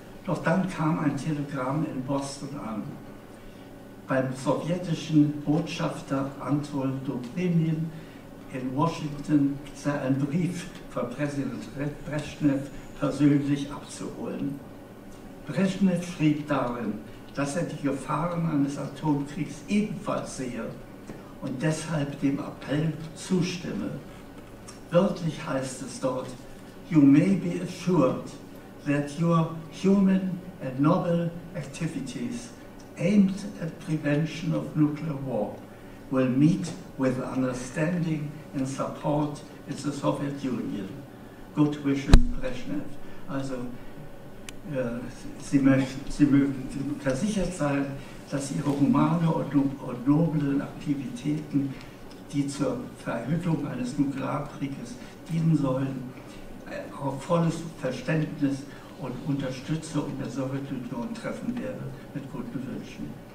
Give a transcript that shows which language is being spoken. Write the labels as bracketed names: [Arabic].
[German] Doch dann kam ein Telegramm in Boston an. Beim sowjetischen Botschafter Anton Dobrynin in Washington sei ein Brief von Präsident Brezhnev persönlich abzuholen. Brezhnev schrieb darin, dass er die Gefahren eines Atomkriegs ebenfalls sehe und deshalb dem Appell zustimme. Wörtlich heißt es dort, [English] you may be assured that your human and noble activities aimed at prevention of nuclear war will meet with understanding and support in the Soviet Union. Good wishes, Brezhnev. [German] Also, Sie mögen versichert sein, dass Ihre humane und noblen Aktivitäten, die zur Verhütung eines Nuklearkrieges dienen sollen, auf volles Verständnis und Unterstützung der Sowjetunion treffen werde, mit guten Wünschen.